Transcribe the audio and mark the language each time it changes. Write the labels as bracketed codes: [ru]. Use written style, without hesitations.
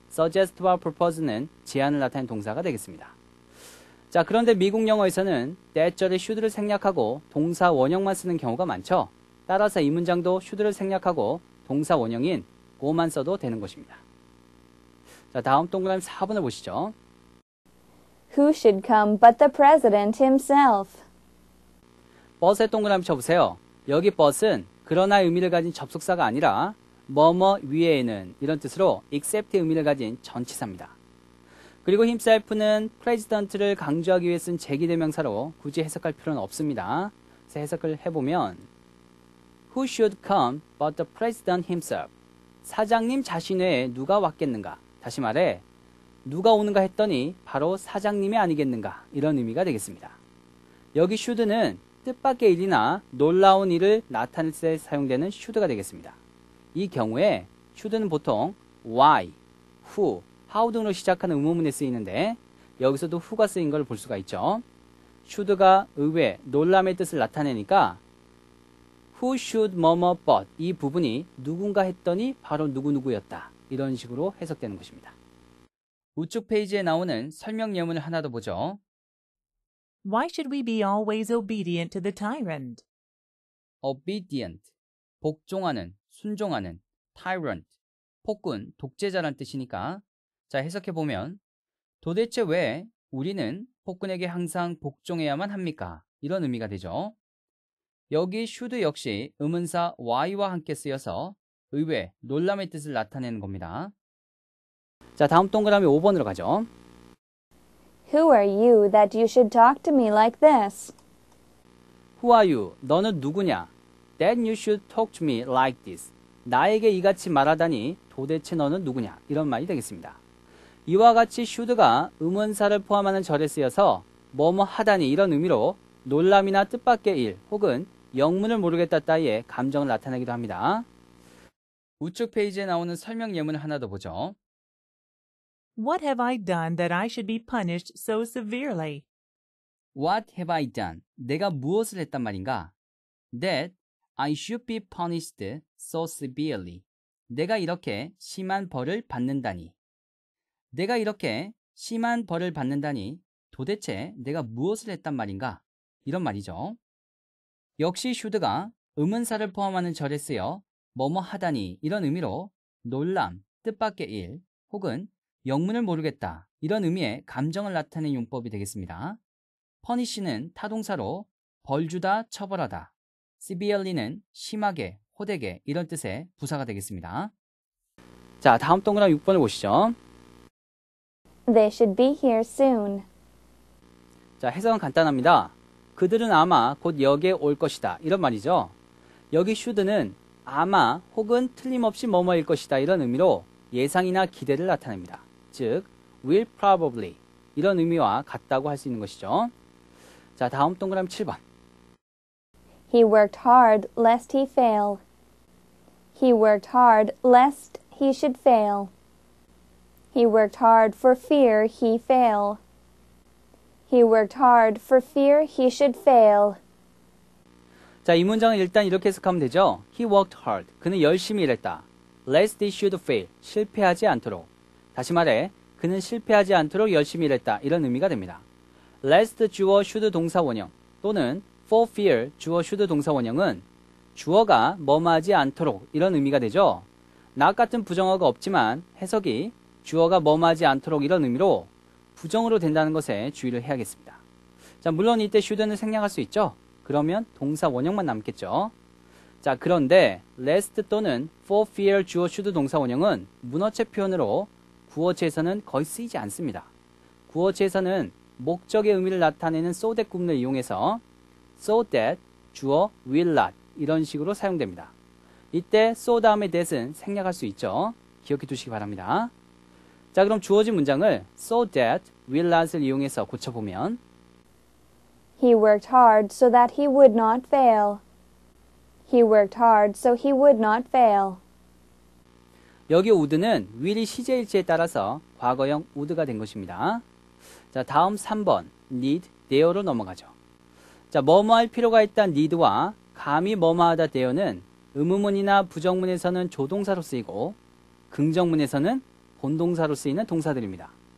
[ko] suggest와 propose는 제안을 나타낸 동사가 되겠습니다. 자, 그런데 미국 영어에서는 대절에 should를 생략하고 동사 원형만 쓰는 경우가 많죠. 따라서 이 문장도 should를 생략하고 동사 원형인 go만 써도 되는 것입니다. 자, 다음 동그라미 4번을 보시죠. [en] Who should come but the president himself? [ko] 버스의 동그라미 쳐보세요. 여기 버스는 그러나 의미를 가진 접속사가 아니라 뭐뭐 위에는 이런 뜻으로 except의 의미를 가진 전치사입니다. 그리고 himself는 president를 강조하기 위해 쓴 제기대명사로 굳이 해석할 필요는 없습니다. 그래서 해석을 해보면 [en] Who should come but the president himself? [ko] 사장님 자신 외에 누가 왔겠는가? 다시 말해 누가 오는가 했더니 바로 사장님이 아니겠는가? 이런 의미가 되겠습니다. 여기 should는 뜻밖의 일이나 놀라운 일을 나타낼 때 사용되는 should가 되겠습니다. 이 경우에 should는 보통 why, who, how 등으로 시작하는 의문문에 쓰이는데 여기서도 who가 쓰인 걸 볼 수가 있죠. should가 의외, 놀람의 뜻을 나타내니까 who should 뭐뭐 but 이 부분이 누군가 했더니 바로 누구누구였다 이런 식으로 해석되는 것입니다. 우측 페이지에 나오는 설명 예문을 하나 더 보죠. [en] Why should we be always obedient to the tyrant? [ko] Obedient, 복종하는, 순종하는, tyrant, 폭군, 독재자란 뜻이니까 자, 해석해 보면 도대체 왜 우리는 폭군에게 항상 복종해야만 합니까? 이런 의미가 되죠. 여기 should 역시 의문사 why와 함께 쓰여서 의외, 놀람의 뜻을 나타내는 겁니다. 자, 다음 동그라미 5번으로 가죠. [en] Who are you that you should talk to me like this? Who are you? [ko] 너는 누구냐? [en] That you should talk to me like this. [ko] 나에게 이같이 말하다니 도대체 너는 누구냐? 이런 말이 되겠습니다. 이와 같이 should가 의문사를 포함하는 절에 쓰여서 뭐뭐 하다니 이런 의미로 놀람이나 뜻밖의 일 혹은 영문을 모르겠다 따위의 감정을 나타내기도 합니다. 우측 페이지에 나오는 설명 예문을 하나 더 보죠. [en] What have I done that I should be punished so severely? What have I done? [ko] 내가 무엇을 했단 말인가? [en] That I should be punished so severely. [ko] 내가 이렇게 심한 벌을 받는다니. 내가 이렇게 심한 벌을 받는다니 도대체 내가 무엇을 했단 말인가? 이런 말이죠. 역시 should가 의문사를 포함하는 절에 쓰여 뭐뭐 하다니 이런 의미로 놀람, 뜻밖의 일 혹은 영문을 모르겠다 이런 의미의 감정을 나타내는 용법이 되겠습니다. punish는 타동사로 벌주다, 처벌하다. severely는 심하게, 호되게 이런 뜻의 부사가 되겠습니다. 자, 다음 동그라미 6번을 보시죠. [en] They should be here soon. [ko] 자, 해석은 간단합니다. 그들은 아마 곧 여기에 올 것이다 이런 말이죠. 여기 should는 아마 혹은 틀림없이 뭐뭐일 것이다 이런 의미로 예상이나 기대를 나타냅니다. 즉, will probably 이런 의미와 같다고 할 수 있는 것이죠. 자, 다음 동그라미 7번. [en] He worked hard lest he fail. He worked hard lest he should fail. He worked hard for fear he fail. He worked hard for fear he should fail. [ko] 자, 이 문장을 일단 이렇게 해석하면 되죠. [en] He worked hard. [ko] 그는 열심히 일했다. [en] Lest he should fail. [ko] 실패하지 않도록. 다시 말해, 그는 실패하지 않도록 열심히 일했다. 이런 의미가 됩니다. Lest 주어 should 동사 원형 또는 for fear 주어 should 동사 원형은 주어가 뭐뭐하지 않도록 이런 의미가 되죠. not 같은 부정어가 없지만 해석이 주어가 뭐뭐하지 않도록 이런 의미로 부정으로 된다는 것에 주의를 해야겠습니다. 자, 물론 이때 should는 생략할 수 있죠. 그러면 동사 원형만 남겠죠. 자, 그런데 lest 또는 for fear 주어 should 동사 원형은 문어체 표현으로 구어체에서는 거의 쓰이지 않습니다. 구어체에서는 목적의 의미를 나타내는 so that 구문을 이용해서 so that, 주어, will not 이런 식으로 사용됩니다. 이때 so 다음의 that은 생략할 수 있죠. 기억해 두시기 바랍니다. 자, 그럼 주어진 문장을 so that, will not을 이용해서 고쳐보면 [en] He worked hard so that he would not fail. He worked hard so he would not fail. [ko] 여기 would는 will이 시제일지에 따라서 과거형 would가 된 것입니다. 자, 다음 3번, need, there로 넘어가죠. 자, 뭐뭐 할 필요가 있단 need와 감히 뭐뭐하다 there는 의문문이나 부정문에서는 조동사로 쓰이고 긍정문에서는 본동사로 쓰이는 동사들입니다.